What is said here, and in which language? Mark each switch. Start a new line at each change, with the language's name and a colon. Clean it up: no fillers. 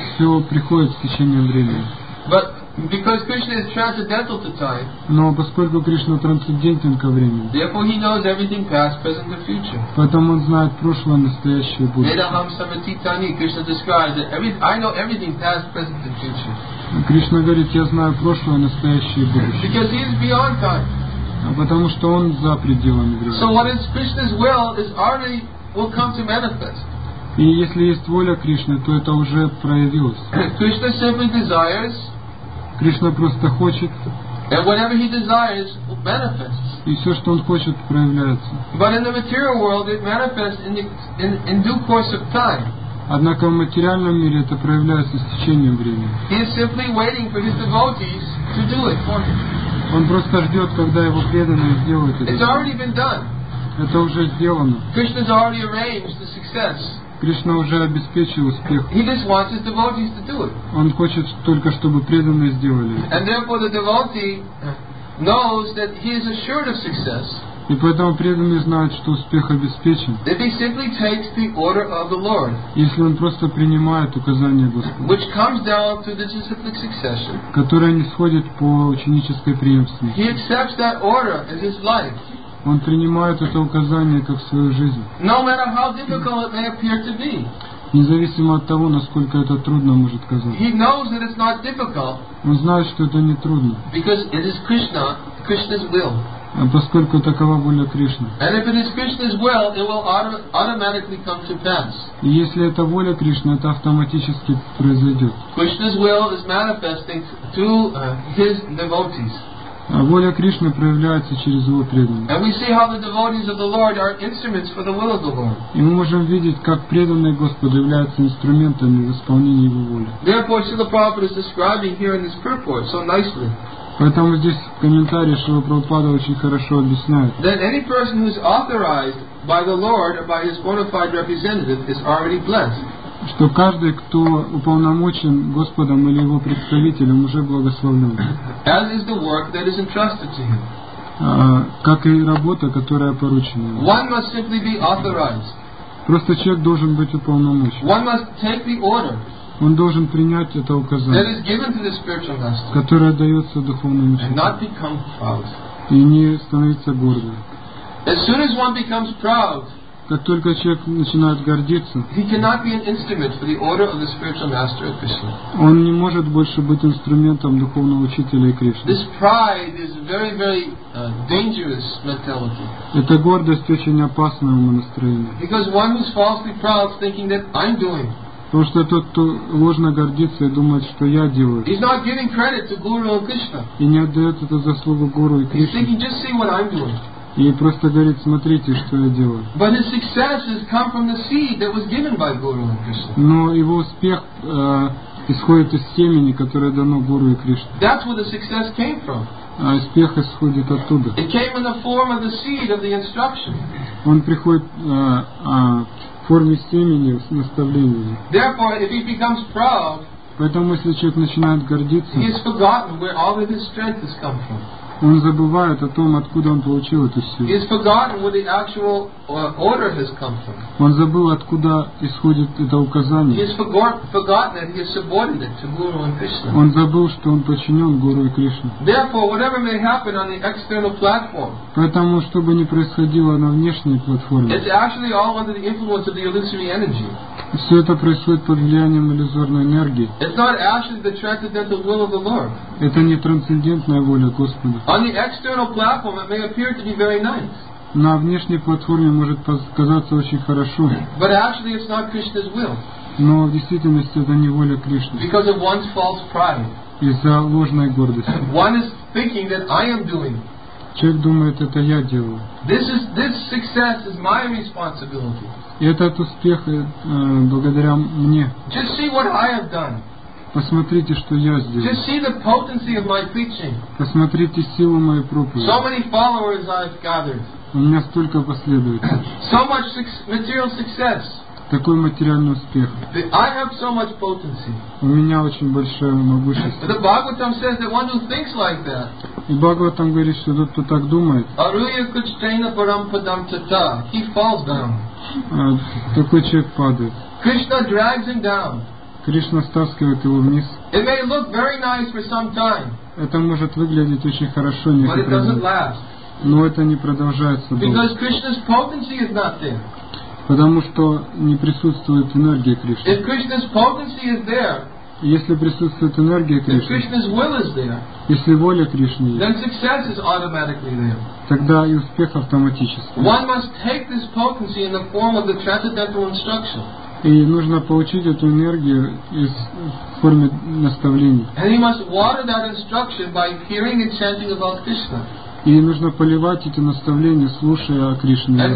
Russian: Все приходит с течением времени.
English: But because Krishna is transcendental to time,
Russian: но поскольку Кришна трансцендентен ко времени,
English: therefore he knows everything past, present, and future.
Russian: Поэтому он знает прошлое, настоящее и будущее.
Sanskrit: Vedaham Samatitani,
English: Krishna describes that I know everything past, present, and future.
Russian: Кришна говорит, я знаю прошлое, настоящее и будущее.
English: Because he is beyond time.
Russian: Потому что он за пределами времени.
English: So what is Krishna's will is already will come to manifest.
Russian: И если есть воля Кришны, то это уже проявилось.
English: Krishna simply desires.
Russian: Кришна просто хочет.
English: And whatever he desires manifests.
Russian: И все, что он хочет, проявляется.
English: But in the material world, it manifests in due course of time.
Russian: Однако в материальном мире это проявляется с течением времени.
English: He is simply waiting for his devotees to do it for him.
Russian: Он просто ждет, когда его преданные сделают это.
English: It's already been done.
Russian: Это уже сделано.
English: Krishna has already arranged the success.
Russian: Кришна уже обеспечил успех.
English: He just wants his devotees to do it.
Russian: Он хочет только, чтобы преданные сделали это.
English: And therefore the devotee knows that he is assured of success.
Russian: И поэтому преданные знают, что успех обеспечен.
English: If he simply takes the order of the Lord.
Russian: Если он просто принимает указания Господа.
English: Which comes down to the disciplic succession.
Russian: Которое нисходит по ученической преемственности.
English: He accepts that order as his life.
Russian: Он принимает это указание как свою жизнь.
English: No matter how difficult it may appear to be.
Russian: Независимо от того, насколько это трудно может казаться.
English: He knows that it's not difficult.
Russian: Он знает, что это не трудно.
English: Because it is Krishna, Krishna's will.
Russian: Поскольку такова воля Кришны.
English: And if it is Krishna's will, it will automatically come to pass.
Russian: И если это воля Кришны, это автоматически произойдет.
English: Krishna's will is manifesting through his devotees.
Russian: А воля Кришны проявляется через его преданных.
English: And we see how the devotees of the Lord are instruments for the will of the Lord.
Russian: И мы можем видеть, как преданные Господу являются инструментами в исполнении его воли.
English: Therefore, Srila Prabhupada is describing here in this purport so nicely.
Russian: Поэтому здесь в комментарии Шрила Прабхупада очень хорошо объясняет.
English: That any person who is authorized by the Lord or by his bona fide representative is already blessed.
Russian: Что каждый, кто уполномочен Господом или его представителем, уже благословлен.
English: As is the work that is entrusted to him.
Russian: Как и работа, которая поручена ему.
English: One must simply be authorized.
Russian: Просто человек должен быть уполномочен.
English: One must take the order.
Russian: Он должен принять это указание,
English: that is given to the spiritual master,
Russian: которое дается духовному учителю,
English: and not become proud.
Russian: И не становиться гордым.
English: As soon as one becomes proud,
Russian: как только человек начинает гордиться,
English: he cannot be an instrument for the order of the spiritual master of Krishna.
Russian: Он не может больше быть инструментом духовного учителя и Кришны.
English: This pride is very, very dangerous mentality.
Russian: Эта гордость очень опасна ему настроение.
English: Because one is falsely proud, thinking that I'm doing.
Russian: Потому что тот, кто ложно гордится и думает, что я делаю,
English: he's not giving credit to Guru or Krishna.
Russian: И не отдает эту заслугу Гуру и Кришне,
English: he's thinking, just see what I'm doing.
Russian: И просто говорит, смотрите, что я делаю.
English: But his success has come from the seed that was given by Guru and Krishna.
Russian: Но его успех исходит из семени, которое дано Гуру и Кришне.
English: That's where the success came from.
Russian: А успех исходит оттуда.
English: It came in the form of the seed of the instruction.
Russian: Он приходит в форме семени, с наставлениями.
English: Therefore, if he becomes proud,
Russian: поэтому если человек начинает гордиться,
English: he has forgotten where all of his strength has come from.
Russian: Он забывает о том, откуда он получил эту силу.
English: He has forgotten where the actual order has come from.
Russian: Он забыл, откуда исходит это указание.
English: He has forgotten that he is subordinate to Guru and Krishna.
Russian: Он забыл, что он подчинен Гуру и Кришне.
English: Therefore, whatever may happen on the external platform,
Russian: поэтому, что бы ни происходило на внешней платформе,
English: it's actually all under the influence of the illusory energy.
Russian: Все это происходит под влиянием иллюзорной энергии.
English: It's not actually the transcendental will of the Lord.
Russian: Это не трансцендентная воля Господа.
English: On the external platform, it may appear to be very nice.
Russian: На внешней платформе может показаться очень хорошо.
English: But actually, it's not Krishna's will.
Russian: Но в действительности это не воля Кришны.
English: Because of one's false pride.
Russian: Из-за ложной гордости.
English: One is thinking that I am doing.
Russian: Человек думает, это я делаю.
English: This success is my responsibility.
Russian: Этот успех благодаря мне.
English: Just see what I have done.
Russian: Посмотрите, что я сделал.
English: Just see the potency of my preaching.
Russian: Посмотрите силу моей проповеди.
English: So many followers I have gathered.
Russian: У меня столько последователей.
English: So much material success.
Russian: Такой материальный успех.
English: I have so much potency.
Russian: У меня очень большое могущество.
English: The Bhagavatam says that one who thinks like that.
Russian: И Бхагаватам говорит, что тот, кто так думает.
Sanskrit: Aruya kuchtena param padam tata.
English: He falls down.
Russian: Такой человек падает.
English: Krishna drags him down.
Russian: Кришна стаскивает его вниз.
English: It may look very nice for some time.
Russian: Это может выглядеть очень хорошо некоторое время.
English: But it doesn't last.
Russian: Но это не продолжается долго.
English: Because Krishna's potency is not there.
Russian: Потому что не присутствует энергия Кришны.
English: If Krishna's potency is there,
Russian: если присутствует энергия Кришны,
English: if Krishna's will is there,
Russian: если воля Кришны есть,
English: then success is automatically there.
Russian: Тогда и успех автоматически.
English: One must take this potency in the form of the transcendental instruction.
Russian: И нужно получить эту энергию из, в форме наставлений.
English: And he must water that instruction by hearing and chanting about Krishna.
Russian: И нужно поливать эти наставления, слушая о Кришне.